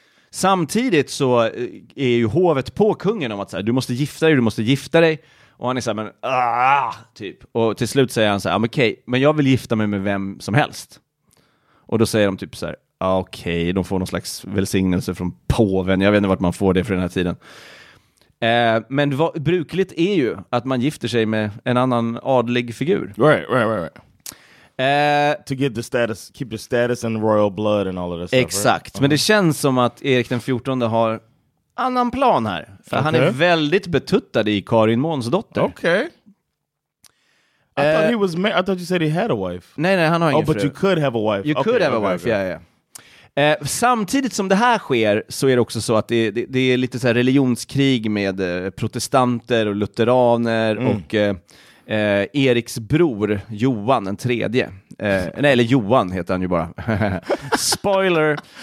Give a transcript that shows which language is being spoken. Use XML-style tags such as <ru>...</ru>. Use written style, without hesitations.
<sv>Samtidigt så är ju hovet på kungen om att så här, du måste gifta dig, och han är så här, men typ, och till slut säger han så här, okej, men jag vill gifta mig med vem som helst. Och då säger de typ så här, okej, de får någon slags välsignelse från påven, jag vet inte vart man får det för den här tiden. Men brukligt är ju att man gifter sig med en annan adlig figur.</sv> <en>Right. To get the status, keep the status and royal blood and all of this stuff.</en> <sv>Exakt.</sv> <en>Right?</en> <sv>Men det känns som att Erik den 14 har annan plan här. För han är väldigt betuttad i Karin Månsdotter.</sv> <en>Okay. I thought you said he had a wife.</en> <sv>Nej, han har ingen fru.</sv> <en>Oh, but you could have a wife. You could have a wife.</en> <sv>Samtidigt som det här sker, så är det också så att det är lite så här religionskrig med protestanter och lutheraner, och Eriks bror Johan den tredje. Nej, eller Johan heter han ju bara. Spoiler.</sv>